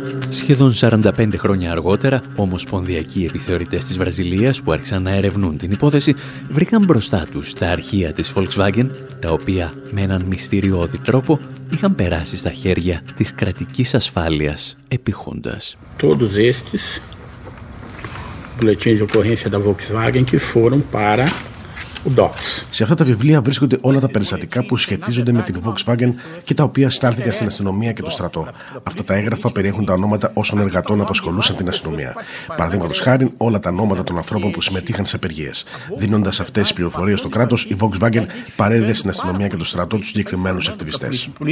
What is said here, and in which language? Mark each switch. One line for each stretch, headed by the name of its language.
Greek: Σχεδόν 45 χρόνια αργότερα, ομοσπονδιακοί επιθεωρητές της Βραζιλίας που άρχισαν να ερευνούν την υπόθεση βρήκαν μπροστά τους τα αρχεία της Volkswagen, τα οποία με έναν μυστηριώδη τρόπο είχαν περάσει στα χέρια της κρατικής ασφάλειας επί Χούντας.
Portuguese: Todos estes boletins de ocorrência da Volkswagen que foram para...
Greek: Σε αυτά τα βιβλία βρίσκονται όλα τα περιστατικά που σχετίζονται με την Volkswagen και τα οποία στάλθηκαν στην αστυνομία και το στρατό. Αυτά τα έγγραφα περιέχουν τα ονόματα όσων εργατών απασχολούσαν την αστυνομία. Παραδείγματος χάρη, όλα τα ονόματα των ανθρώπων που συμμετείχαν σε απεργίες. Δίνοντας αυτές τις πληροφορίες στο κράτος, η Volkswagen παρέδιδε στην αστυνομία και το στρατό τους συγκεκριμένους ακτιβιστές.